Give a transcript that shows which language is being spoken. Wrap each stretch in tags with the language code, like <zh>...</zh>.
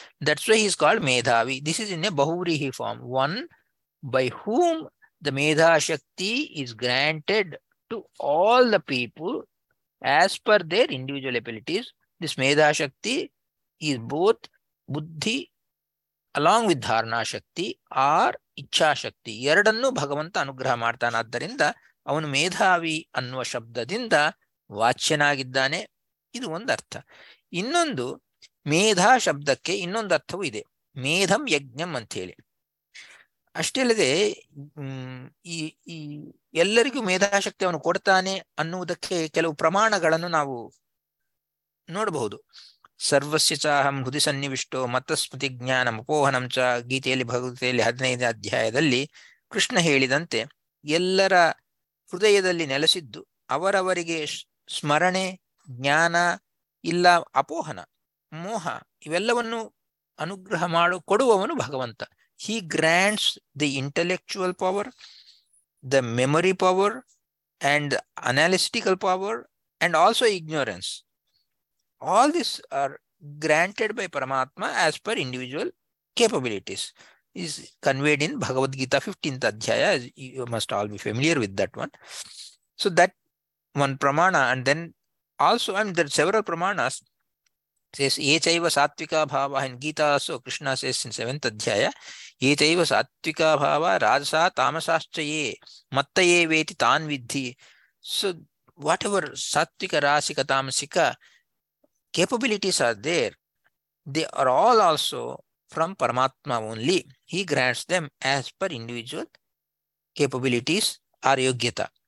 <en>That's why he is called medhavi. This is in a bahurihi form, one by whom the medha shakti is granted to all the people as per their individual abilities. This medha shakti is both buddhi along with dharana shakti or</en> <kn>ಇಚ್ಛಾಶಕ್ತಿ, ಎರಡನ್ನು ಭಗವಂತ ಅನುಗ್ರಹ ಮಾಡ್ತಾನಾದ್ದರಿಂದ ಅವನು ಮೇಧಾವಿ ಅನ್ನುವ ಶಬ್ದದಿಂದ ವಾಚ್ಯನಾಗಿದ್ದಾನೆ. ಇದು ಒಂದು ಅರ್ಥ. ಇನ್ನೊಂದು ಮೇಧಾ ಶಬ್ದಕ್ಕೆ ಇನ್ನೊಂದು ಅರ್ಥವೂ ಇದೆ, ಮೇಧಂ ಯಜ್ಞಂ ಅಂಥೇಳಿ. ಅಷ್ಟೇ ಅಲ್ಲದೆ ಈ ಎಲ್ಲರಿಗೂ ಮೇಧಾಶಕ್ತಿ ಅವನು ಕೊಡ್ತಾನೆ ಅನ್ನುವುದಕ್ಕೆ ಕೆಲವು ಪ್ರಮಾಣಗಳನ್ನು ನಾವು ನೋಡಬಹುದು.</kn> <sa>ಸರ್ವಸ್ಯ ಚಾಹಂ ಹೃದಿ ಸನ್ನಿವಿಷ್ಟೋ ಮತಸ್ಮೃತಿ ಜ್ಞಾನ ಅಪೋಹನಂ ಚ.</sa> <kn>ಗೀತೆಯಲ್ಲಿ ಭಗವದ್ಗೀತೆಯಲ್ಲಿ 15ನೇ ಅಧ್ಯಾಯದಲ್ಲಿ ಕೃಷ್ಣ ಹೇಳಿದಂತೆ ಎಲ್ಲರ ಹೃದಯದಲ್ಲಿ ನೆಲೆಸಿದ್ದು ಅವರವರಿಗೆ ಸ್ಮರಣೆ, ಜ್ಞಾನ ಇಲ್ಲ ಅಪೋಹನ, ಮೋಹ ಇವೆಲ್ಲವನ್ನು ಅನುಗ್ರಹ ಮಾಡು ಕೊಡುವವನು ಭಗವಂತ.</kn> <en>He grants the intellectual power, the memory power and analytical power and also ignorance. All this are granted by Paramatma as per individual capabilities. It is conveyed in Bhagavad Gita 15th Adhyaya. You must all be familiar with that one. So that one pramana, and then also, I mean, there are several pramanas. Says, Echaiva Sattvika Bhava in Gita. So Krishna says in 7th Adhyaya,</en> <sa>ಏತೈವ ಸಾತ್ವಿಕ ಭಾವ ರಾಜಸ ತಾಮಸಾಶ್ಚಯೇ ಮತ್ತಯೇ ವೇತಿ ತಾನ್ ವಿದ್ಧಿ.</sa> <en>So whatever ಸಾತ್ವಿಕ ರಾಸಿಕ ತಾಮಸಿಕ capabilities are there, they are all also from ಪರಮಾತ್ಮ only. He grants them as per individual capabilities or ಯೋಗ್ಯತಾ.</en>